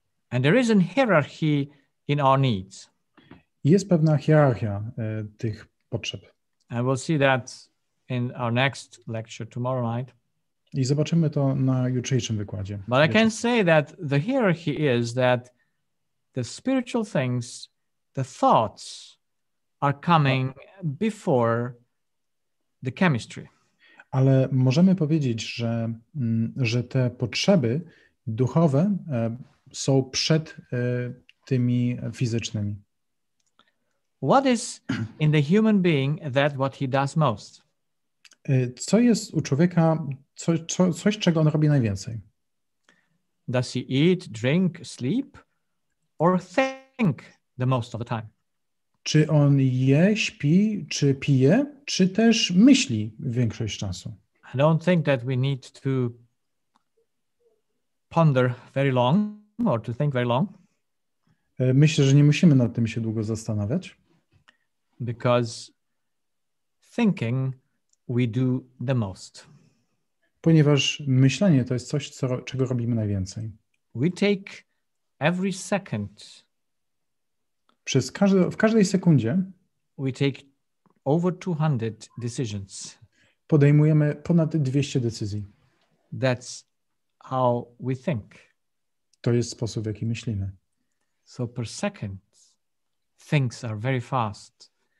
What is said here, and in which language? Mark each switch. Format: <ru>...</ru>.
<en>And there is a hierarchy in our needs.</en> <pl>Jest pewna hierarchia tych potrzeb.</pl> <en>And we'll see that in our next lecture tomorrow night.</en> <pl>I zobaczymy to na jutrzejszym wykładzie.</pl> <en>But I can say that the hierarchy is that the spiritual things, the thoughts are coming before the chemistry.</en> <pl>Ale możemy powiedzieć, że te potrzeby duchowe są przed tymi fizycznymi.</pl> <en>What is in the human being that what he does most?</en> <pl>Co jest u człowieka, coś czego on robi najwięcej?</pl> <en>Does he eat, drink, sleep or think the most of the time?</en> <pl>Czy on je, śpi, czy pije, czy też myśli większość czasu?</pl> <en>I don't think that we need to ponder very long or to think very long.</en> <pl>Myślę, że nie musimy nad tym się długo zastanawiać.</pl> <en>Because thinking we do the most.</en> <pl>Ponieważ myślenie to jest coś, czego robimy najwięcej.</pl> <en>We take every second.</en> <pl>W każdej sekundzie</pl> <en>we take over 200 decisions.</en> <pl>Podejmujemy ponad 200 decyzji.</pl> <en>That's how we think.</en> <pl>To jest sposób, w jaki myślimy.</pl> <en>So per second things are very fast.</en>